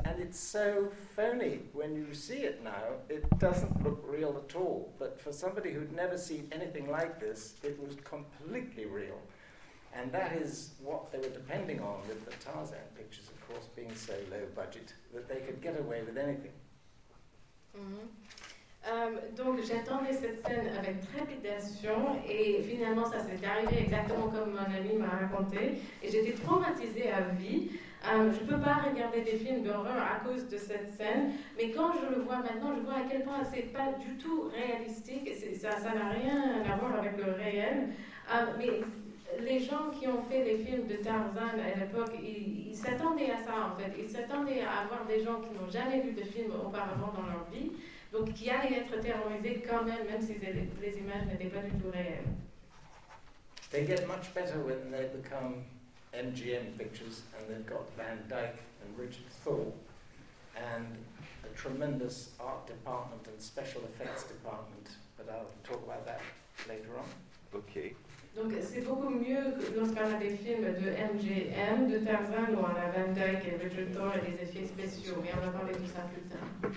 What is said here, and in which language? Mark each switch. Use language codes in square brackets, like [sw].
[en] And it's so phony when you see it now, it doesn't look real at all. But for somebody who'd never seen anything like this, it was completely real. And that is what they were depending on with the Tarzan pictures, of course, being so low budget, that they could get away with anything. Mm-hmm. [fr] Donc j'attendais cette scène avec trépidation et finalement ça s'est arrivé exactement comme mon ami m'a raconté et j'étais traumatisée à vie. Je ne peux pas regarder des films d'horreur à cause de cette scène, mais quand je le vois maintenant, je vois à quel point ce n'est pas du tout réaliste, ça n'a rien à voir avec le réel. Mais les gens qui ont fait les films de Tarzan à l'époque, ils s'attendaient à ça en fait. Ils s'attendaient à avoir des gens qui n'ont jamais vu de film auparavant dans leur vie. Donc, qui allait être terrorisé quand même, même si les images n'étaient pas du tout réelles. [en] They get much better when they become MGM pictures and they've got Van Dyke and Richard Thorpe and a tremendous art department and special effects department. But I'll talk about that later on. Okay. [fr] Donc, c'est beaucoup mieux lorsqu'on a des films de MGM, de Tarzan, où on a Van Dyke et Richard Thorpe et des effets spéciaux. Mais on va parler de ça plus tard.